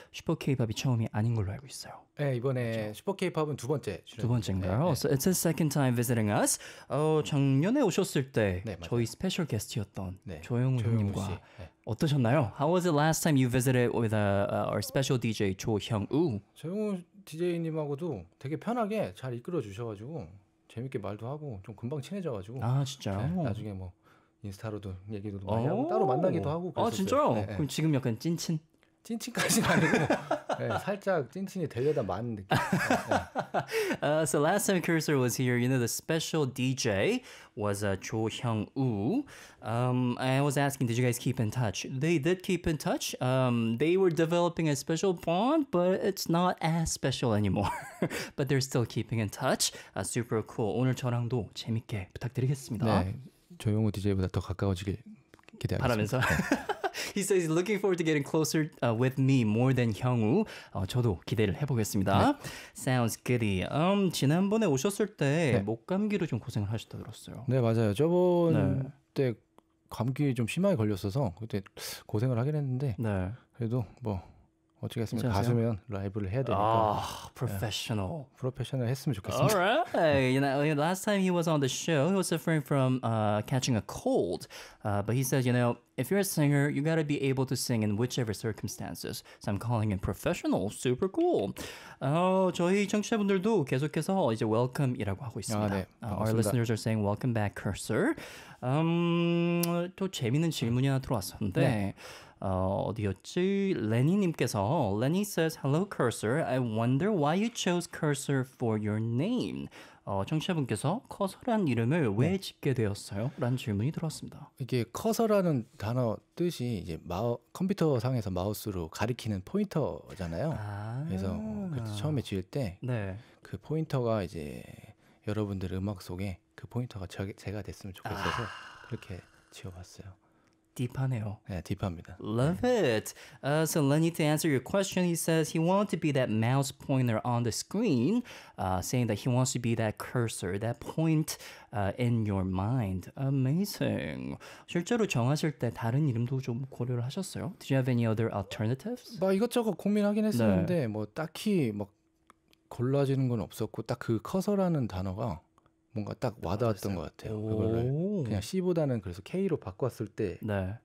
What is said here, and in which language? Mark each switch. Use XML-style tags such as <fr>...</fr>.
<ko>슈퍼 케이팝이 처음이 아닌 걸로 알고 있어요. 네, 이번에 그렇죠. 슈퍼 케이팝은 두 번째 출연. 두 번째인가요? 네, 네.</ko> <en>So it's a second time visiting us.</en> <ko>작년에 오셨을 때 네, 저희 스페셜 게스트였던 네. 조영우 형님과 네. 어떠셨나요?</ko> <en>How was the last time you visited with our special DJ 조형우?</en> <ko>조영우 DJ님하고도 되게 편하게 잘 이끌어주셔가지고 재밌게 말도 하고 좀 금방 친해져가지고 아, 진짜요? 네, 나중에 뭐 인스타로도 얘기도 많이 하고 따로 만나기도 하고 그랬었어요. 아 진짜요? 네, 네. 그럼 지금 약간 찐친? 찐친까지는 아니고 네, 살짝 찐친이 되려다 많은 느낌 네.</ko> <en>So last time Cursor was here, you know the special DJ was Cho Hyung-woo. I was asking, did you guys keep in touch? They did keep in touch. They were developing a special bond, but it's not as special anymore. But they're still keeping in touch. Super cool.</en> <ko>오늘 저랑도 재밌게 부탁드리겠습니다. 네. 조용호 DJ보다 더 가까워지길 기대하겠습니다. 바라면서</ko> <en>He says he's looking forward to getting closer with me more than 형우.</en> <ko>저도 기대를 해보겠습니다. 네.</ko> <en>Sounds goody.</en> <ko>지난번에 오셨을 때 네. 목 감기로 좀 고생을 하셨다 들었어요. 네 맞아요. 저번 네. 때 감기 좀 심하게 걸렸어서 그때 고생을 하긴 했는데 네. 그래도 뭐 어찌겠습니까? 가수면 라이브를 해야 되니까.</ko> <en>아, professional.</en> <ko>네. Professional 했으면 좋겠습니다.</ko> <en>Alright. You know, last time he was on the show, he was suffering from catching a cold. But he said, you know, if you're a singer, you gotta be able to sing in whichever circumstances. So I'm calling him professional. Super cool.</en> <ko>저희 청취자분들도 계속해서 이제 welcome이라고 하고 있습니다. 아, 네.</ko> <en>Our listeners are saying welcome back, Cursor.</en> <ko>또 재밌는 질문이 하나 들어왔었는데. 네. 어디였지? 레니님께서 레니</ko> <en>says, Hello, Cursor. I wonder why you chose Cursor for your name.</en> <ko>청취자분께서 커서란 이름을 네. 왜 짓게 되었어요? 라는 질문이 들어왔습니다. 이게 커서라는 단어 뜻이 이제 컴퓨터 상에서 마우스로 가리키는 포인터잖아요. 아~ 그래서 처음에 지을 때 네. 그 포인터가 이제 여러분들 음악 속에 그 포인터가 제가 됐으면 좋겠어서 아~ 그렇게 지어봤어요. 딥하네요. 네, 딥합니다.</ko> <en>Love it. So Lenny, to answer your question, he says he wanted to be that mouse pointer on the screen, saying that he wants to be that cursor, that point in your mind. Amazing.</en> <ko>실제로 정하실 때 다른 이름도 좀 고려를 하셨어요?</ko> <en>Do you have any other alternatives?</en> <ko>막 이것저것 고민하긴 했었는데 네. 뭐 딱히 막 골라지는 건 없었고 딱 그 커서라는 단어가 뭔가 딱 와닿았던 것 같아요. 그걸 그냥 C보다는 그래서 K로 바꿨을 때 네.</ko>